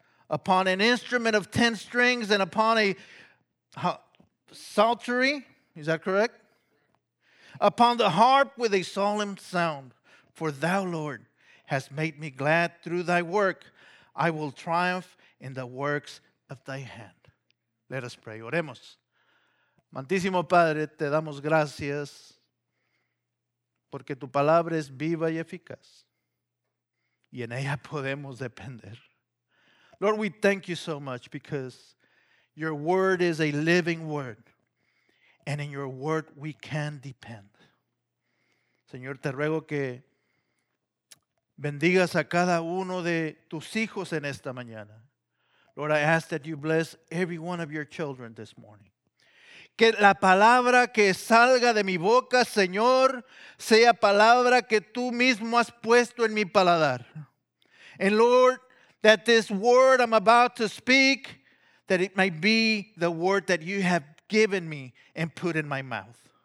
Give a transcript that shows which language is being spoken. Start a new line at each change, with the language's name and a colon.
English: Upon an instrument of 10 strings and upon a psaltery, is that correct? Upon the harp with a solemn sound. For thou, Lord, hast made me glad through thy work. I will triumph in the works of thy hand. Let us pray.
Spanish: Oremos. Amantísimo Padre, te damos gracias porque tu palabra es viva y eficaz. Y en ella podemos depender.
English: Lord, we thank you so much because your word is a living word. And in your word we can depend.
Spanish: Señor, te ruego que bendigas a cada uno de tus hijos en esta mañana.
English: Lord, I ask that you bless every one of your children this morning.
Spanish: Que la palabra que salga de mi boca, Señor, sea palabra que tú mismo has puesto en mi paladar.
English: And Lord, that this word I'm about to speak, that it might be the word that you have given me and put in my mouth.